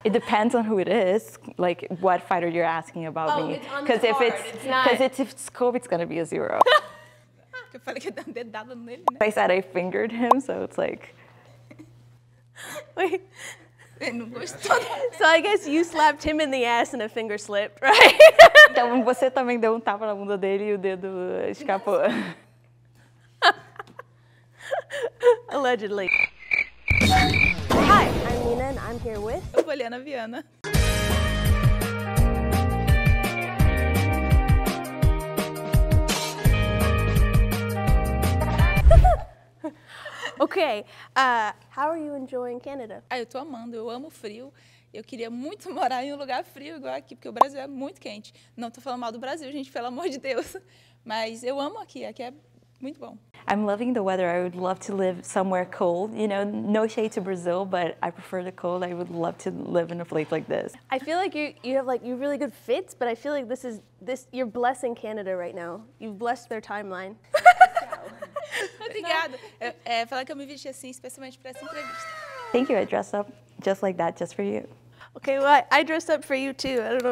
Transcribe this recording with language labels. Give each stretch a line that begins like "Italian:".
English: It depends on who it is, like what fighter you're asking about me. Because if it's Colby, it's gonna be a zero. I said I fingered him, so it's like. Wait. So I guess you slapped him in the ass and a finger slipped, right?
Portuguese: Então você também deu tapa na bunda dele e o dedo escapou.
English: Allegedly. And I'm here with Polyana Viana. Okay, how are you enjoying Canada?
Portuguese: Ah, eu tô amando, eu amo frio. Eu queria muito morar em um lugar frio igual aqui, porque o Brasil é muito quente. Não tô falando mal do Brasil, gente, pelo amor de Deus. Mas eu amo aqui, aqui é muito bom.
English: I'm loving the weather. I would love to live somewhere cold. You know, no shade to Brazil, but I prefer the cold. I would love to live in a place like this. I feel like you have like you really good fits, but I feel like this is this you're blessing Canada right now. You've blessed their timeline.
Portuguese: Obrigado. Falar que eu me vesti assim especialmente para essa entrevista.
English: Thank you. I dressed up just like that just for you. Okay, well, I dressed up for you too.